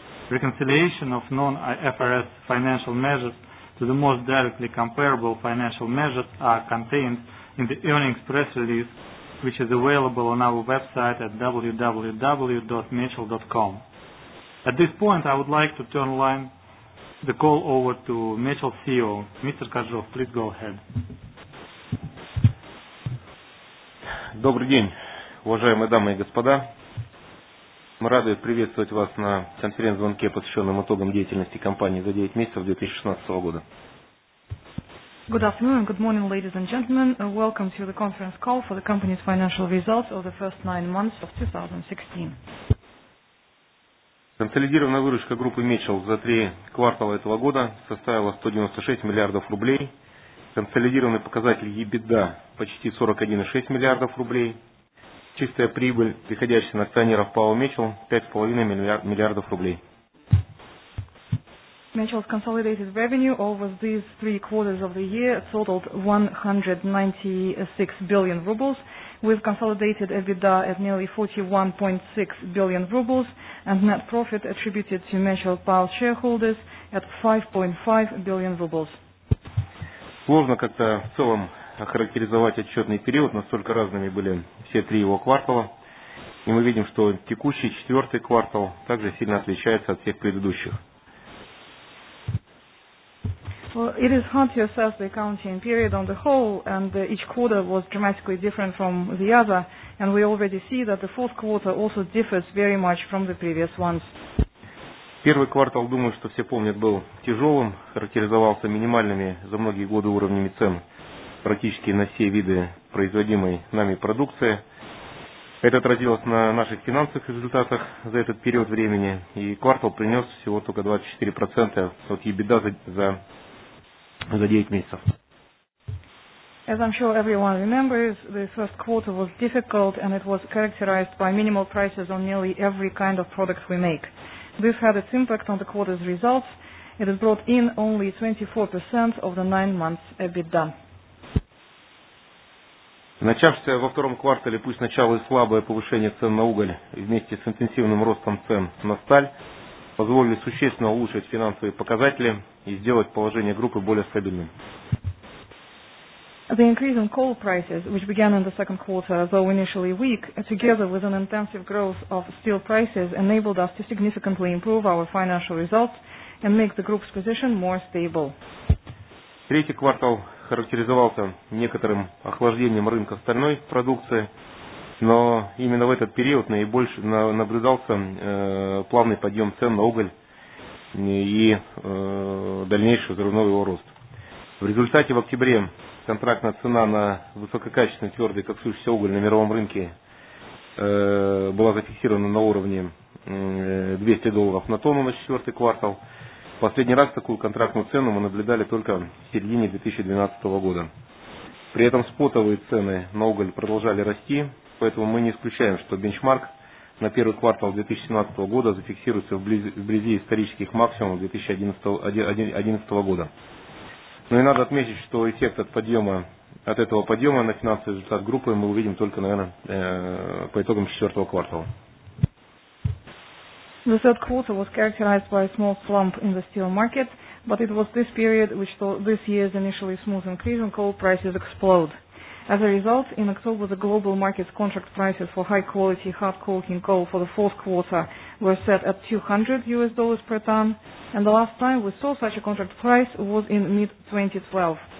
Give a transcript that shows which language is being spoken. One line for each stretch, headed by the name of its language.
English: Reconciliation of non-IFRS financial measures to the most directly comparable financial measures are contained in the earnings press release, which is available on our website at www.mitchell.com. At this point, I would like to turn the call over to Mitchell CEO. Mr. Koržov, please go ahead.
Russian: Добрый день, уважаемые дамы и господа. Мы рады приветствовать вас на конференц-звонке, посвященном итогам деятельности компании за 9 месяцев 2016 года.
English: Good afternoon, good morning, ladies and gentlemen. Welcome to the conference call for the company's financial results of the first 9 months of 2016.
Russian: Консолидированная выручка группы Mitchell за три квартала этого года составила 196 миллиардов рублей. Консолидированный показатель EBITDA почти 41,6 миллиардов рублей. Чистая прибыль, приходящая на акционеров Пао Mitchell, 5,5 миллиардов рублей.
English: Mitchell's consolidated revenue over these three quarters of the year totaled 196 billion rubles, with consolidated EBITDA at nearly 41.6 billion rubles and net profit attributed to Mitchell Power shareholders at 5.5 billion rubles.
Russian: Сложно как-то в целом охарактеризовать отчетный период, настолько разными были все три его квартала, и мы видим, что текущий четвертый квартал также сильно отличается от всех предыдущих.
English: Well, it is hard to assess the accounting period on the whole, and each quarter was dramatically different from the other, and we already see that the fourth quarter also differs very much from the previous ones.
Russian: Первый квартал, думаю, что все помнят, был тяжелым, характеризовался минимальными за многие годы уровнями цен практически на все виды производимой нами продукции. Это отразилось на наших финансовых результатах за этот период времени, и квартал принес всего только 24% от EBITDA за 9 месяцев.
English: As I'm sure everyone remembers, the first quarter was difficult and it was characterized by minimal prices on nearly every kind of product we make. This had its impact on the quarter's results. It has brought in only 24% of the 9 months EBITDA.
Russian: Начавшееся во втором квартале, пусть начало и слабое повышение цен на уголь вместе с интенсивным ростом цен на сталь, позволили существенно улучшить финансовые показатели и сделать положение группы более стабильным.
English: The increase in coal prices, which began in the second quarter, though initially weak, together with an intensive growth of steel prices, enabled us to significantly improve our financial results and make the group's position more stable.
Russian: Третий квартал характеризовался некоторым охлаждением рынка стальной продукции, но именно в этот период наблюдался плавный подъем цен на уголь и дальнейший взрывной его рост. В результате в октябре контрактная цена на высококачественный твердый коксующийся уголь на мировом рынке была зафиксирована на уровне $200 на тонну на четвертый квартал. Последний раз такую контрактную цену мы наблюдали только в середине 2012 года. При этом спотовые цены на уголь продолжали расти, поэтому мы не исключаем, что бенчмарк на первый квартал 2017 года зафиксируется вблизи исторических максимумов 2011 года. Ну и надо отметить, что эффект от этого подъема на финансовый результат группы мы увидим только, наверное, по итогам четвертого квартала.
English: The third quarter was characterized by a small slump in the steel market, but it was this period which saw this year's initially smooth increase in coal prices explode. As a result, in October, the global market's contract prices for high-quality hard coking coal for the fourth quarter were set at $200 per ton, and the last time we saw such a contract price was in mid-2012.